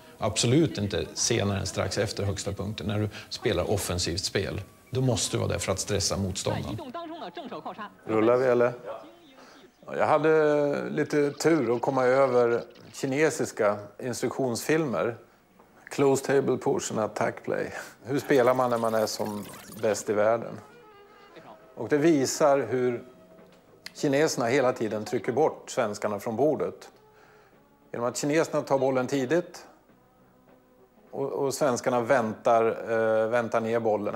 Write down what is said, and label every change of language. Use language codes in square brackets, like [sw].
[sv] Absolut inte senare än strax efter högsta punkten när du spelar offensivt spel. Då måste du vara där för att stressa motståndaren. Rullar vi eller? Ja. Jag hade lite tur att komma över kinesiska instruktionsfilmer. [en] Close table push and attack play. [sv] Hur spelar man när man är som bäst i världen? Och det visar hur kineserna hela tiden trycker bort svenskarna från bordet. Genom att kineserna tar bollen tidigt. Och svenskarna väntar ner bollen.